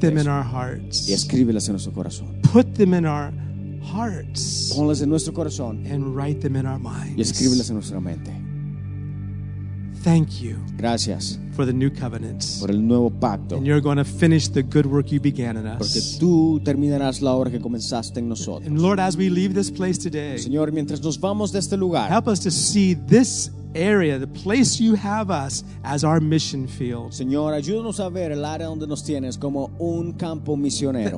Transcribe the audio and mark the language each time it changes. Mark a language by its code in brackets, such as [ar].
[en] Them in our hearts. [es] Y escríbelas en nuestro corazón. [en] Put them in our hearts. [es] Ponlas en nuestro corazón. [en] And write them in our minds. [es] Y escríbelas en nuestra mente. [en] Thank you. [es] Gracias. [en] For the new covenant. [es] Por el nuevo pacto. [en] And you're going to finish the good work you began in us. [es] Porque tú terminarás la obra que comenzaste en nosotros. [en] And Lord, as we leave this place today, [es] Señor, mientras nos vamos de este lugar, [en] help us to see this area, the place you have us, as our mission field. [es] Señor, ayúdanos a ver el área donde nos tienes como un campo misionero.